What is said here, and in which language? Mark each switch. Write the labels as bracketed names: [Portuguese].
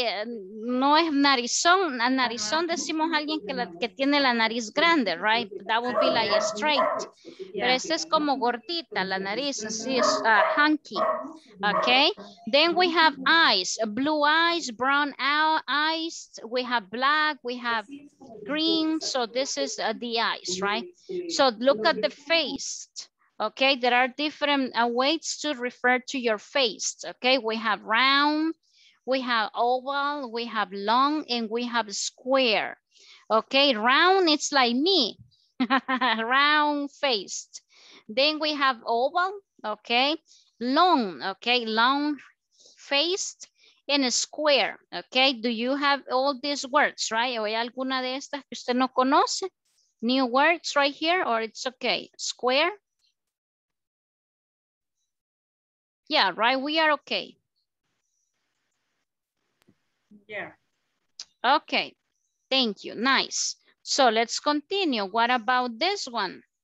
[Spanish] No es narizón, a narizón decimos alguien que tiene la nariz grande, right? [English] That would be like straight. [Spanish] Pero esta es como gordita, la nariz, así es hunky, ok. [English] Then we have eyes, blue eyes, brown eyes, we have black, we have green, so this is the eyes, right? So look at the face. Okay, there are different ways to refer to your face. Okay, we have round, we have oval, we have long, and we have square. Okay, round, it's like me, round faced. Then we have oval, okay, long faced, and square. Okay, do you have all these words, right? [Spanish] ¿Hay alguna de estas que usted no conoce? [English] New words right here, or it's okay, square. Yeah, right, we are okay. Yeah. Okay, thank you, nice. So let's continue, what about this one?